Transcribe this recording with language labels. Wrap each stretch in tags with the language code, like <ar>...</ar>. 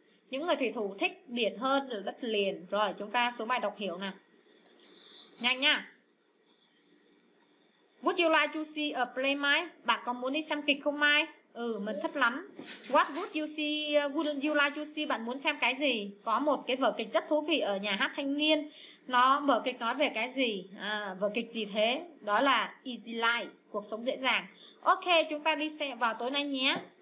<vi>Những người thủy thủ thích biển hơn là đất liền. Rồi chúng ta xuống bài đọc hiểu nè. Nhanh nha.</vi> <en>Would you like to see a play Mai?</en> <vi>Bạn có muốn đi xem kịch không Mai? Ừ, mình thích lắm.</vi> <en>What would you see? Wouldn't you like to see?</en> <vi>Bạn muốn xem cái gì? Có một cái vở kịch rất thú vị ở nhà hát thanh niên. Nó vở kịch nói về cái gì? Vở kịch gì thế? Đó là Easy Life, cuộc sống dễ dàng. Ok, chúng ta đi xem vào tối nay nhé.</vi>